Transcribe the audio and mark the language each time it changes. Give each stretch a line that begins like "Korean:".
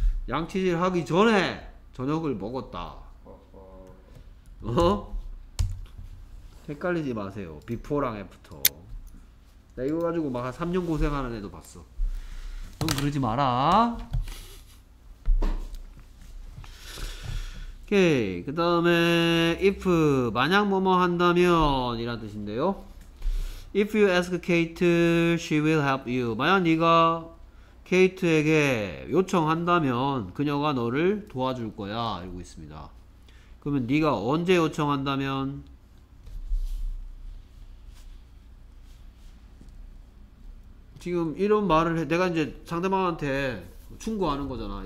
Korean: 양치질 하기 전에 저녁을 먹었다. 어? 헷갈리지 마세요. 비포랑 애프터. 나 이거 가지고 막 한 3년 고생하는 애도 봤어. 좀 그러지 마라. 오케이. 그 다음에 if 만약 뭐뭐 한다면 이란 뜻인데요.
English: If you ask Kate, she will help you.
Korean: 만약 네가 케이트에게 요청한다면 그녀가 너를 도와줄 거야 이러고 있습니다. 그러면 네가 언제 요청한다면? 지금 이런 말을 해. 내가 이제 상대방한테 충고하는 거잖아.